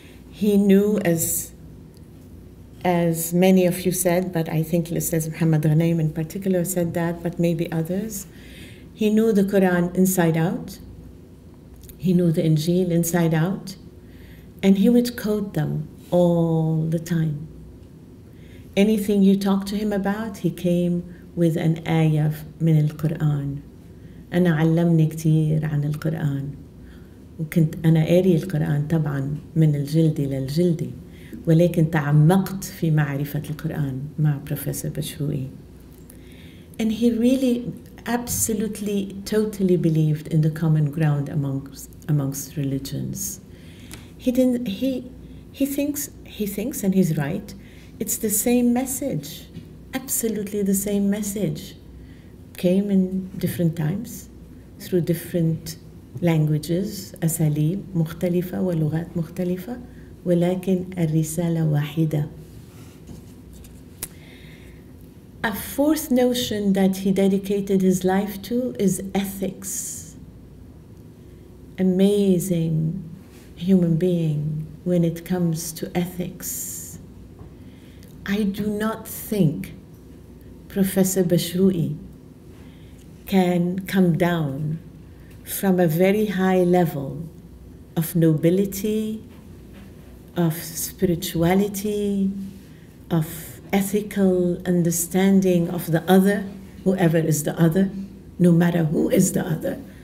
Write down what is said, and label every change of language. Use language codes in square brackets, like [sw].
[en] He knew, as many of you said, but I think Ustaz Muhammad Ghanem in particular said that, but maybe others, he knew the Quran inside out, he knew the Injil inside out, and he would quote them all the time. Anything you talk to him about, he came with an [ar] ayah min al-Quran. أنا علمني كثير عن القرآن وكنت أنا أري القرآن طبعا من الجلد للجلد ولكن تعمقت في معرفة القرآن مع بروفيسور بشوي. [en] And he really absolutely totally believed in the common ground amongst religions. He thinks and he's right. It's the same message, absolutely the same message. Came in different times through different languages, [ar] أساليب مختلفة ولغات مختلفة ولكن الرسالة واحدة. [en] A fourth notion that he dedicated his life to is ethics. Amazing human being when it comes to ethics. I do not think Professor Bashrui can come down from a very high level of nobility, of spirituality, of ethical understanding of the other, whoever is the other, no matter who is the other.